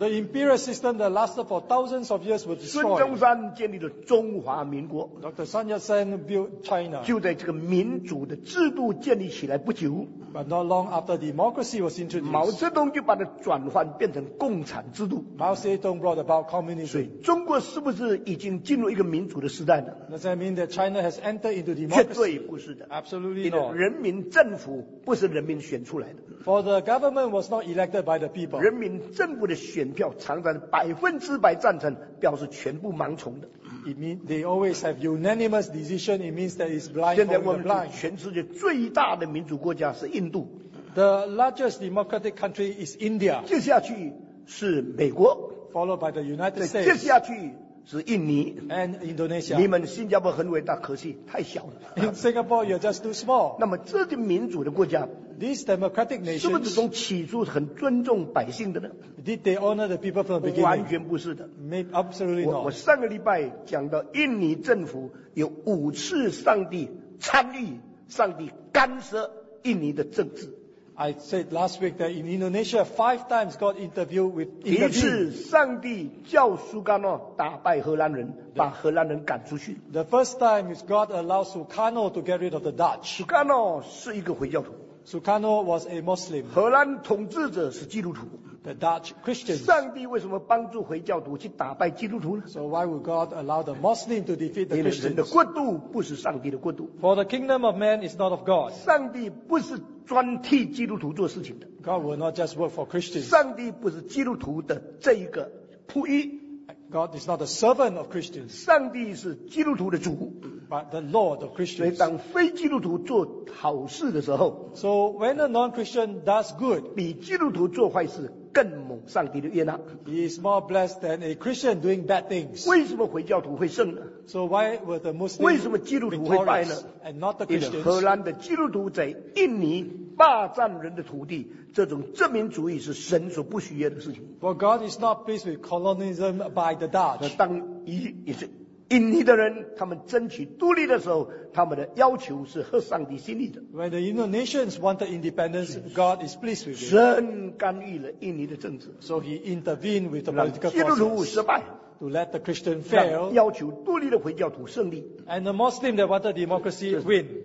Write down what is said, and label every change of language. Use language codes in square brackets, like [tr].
[en] The imperial system that lasted for thousands of years was destroyed. [zh] 孙中山建立了中华民国。 [en] Dr. Sun Yat-sen built China. [zh] 就在这个民主的制度建立起来不久。 [en] But not long after democracy was introduced. [zh] 毛泽东就把它转换变成共产制度。 [en] Mao Zedong brought about communism. [zh] 所以中国是不是已经进入一个民主的时代呢？ [en] Does that mean that China has entered into democracy? [zh] 绝对不是的。 [en] Absolutely not. [zh] 因为人民政府不是人民选出来的。 [en] For the government was not elected by the people. [zh] 人民政府的选票常常100%赞成，表示全部盲从的。 [en] It means they always have unanimous decision. It means that it's blind. [zh] 现在我们全世界最大的民主国家是印度。 [en] The largest democratic country is India. [zh] 接下去是美国。 [en] Followed by the United States. [zh] 接下去是印尼。 [en] And Indonesia. [zh] 你们新加坡很伟大，可惜太小了。 [en] In Singapore, you're just too small. [zh] 那么这些民主的国家。 [en] These democratic nations, [zh] 是不是从起初很尊重百姓的呢？ [en] Did they honor the people from the beginning? [zh] 完全不是的。 [en] Maybe, absolutely not. [zh] 我上个礼拜讲到印尼政府有五次上帝参与，上帝干涉印尼的政治。 [en] I said last week that in Indonesia, 5 times God interviewed with Indonesia. [zh] 第一次上帝叫苏甘诺打败荷兰人，把荷兰人赶出去。 [en] The first time is God allowed Sukarno to get rid of the Dutch. [zh] 苏甘诺是一个回教徒。 [en] Sukarno was a Muslim. [zh] 荷兰统治者是基督徒。 [en] The Dutch Christians. [zh] 上帝为什么帮助回教徒去打败基督徒呢？ [en] So why would God allow the Muslim to defeat the Christians? [zh] 因为人的国度不是上帝的国度。 [en] For the kingdom of man is not of God. [zh] 上帝不是专替基督徒做事情的。 [en] God will not just work for Christians. [zh] 上帝不是基督徒的这一个仆役。 [en] God is not a servant of Christians. [zh] 上帝是基督徒的主。 [en] But the Lord of Christians. [zh] 所以当非基督徒做好事的时候。 [en] So when a non-Christian does good. [zh] 比基督徒做坏事更蒙上帝的悦纳。 [en] He is more blessed than a Christian doing bad things. [zh] 为什么回教徒会胜呢？ [en] So why were the Muslims? [zh] 为什么基督徒会败呢？ [en] And not the Christians. [zh] 因为荷兰的基督徒在印尼霸占人的土地，这种殖民主义是神所不喜悦的事情。 [en] For God is not pleased with colonialism by the Dutch. [zh] 当一也是印尼的人他们争取独立的时候，他们的要求是合上帝心意的。 [en] When the Indonesians wanted independence, God is pleased with it. [zh] 神干预了印尼的政治。 [en] So he intervened with the political forces. [zh] 让基督徒失败。 [en] To let the Christian fail. [zh] 让要求独立的回教徒胜利。 [en] And the Muslims that wanted democracy win.